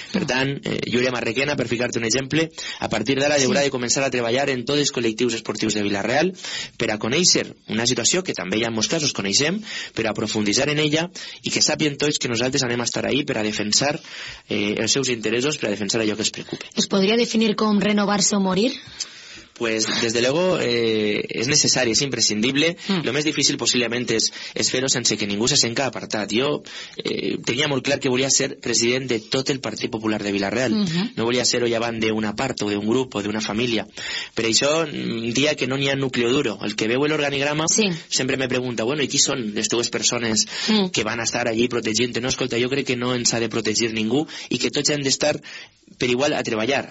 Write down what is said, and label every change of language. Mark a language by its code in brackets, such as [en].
[ca] Per tant, Júlia Marrequena, per ficar-te un exemple, a partir d'ara haurà de començar a treballar en tots els col·lectius esportius de Vila-real per a conèixer una situació que també ja en molts casos coneixem, per a aprofundir en ella i que sàpien tots que nosaltres anem a estar ahí per a defensar els seus interessos, per a defensar allò que es preocupa. Es podria definir com renovar-se o morir? [es] Pues desde luego es necesario, es imprescindible. Lo más difícil posiblemente es [ca] fer-ho sense que ningú se senta apartat. [es] Yo tenía [ca] molt clar que volia ser president de tot el Partit Popular de Vila-real. No volia ser-ho llevant d'una part o d'un grup o d'una família. Per això dia que no n'hi ha núcleo duro. El que veu l'organigrama sempre me pregunta, bueno, i qui són les teues persones que van a estar allí protegint-te? No, escolta, jo crec que no ens ha de protegir ningú i que tots hem d'estar per igual a treballar.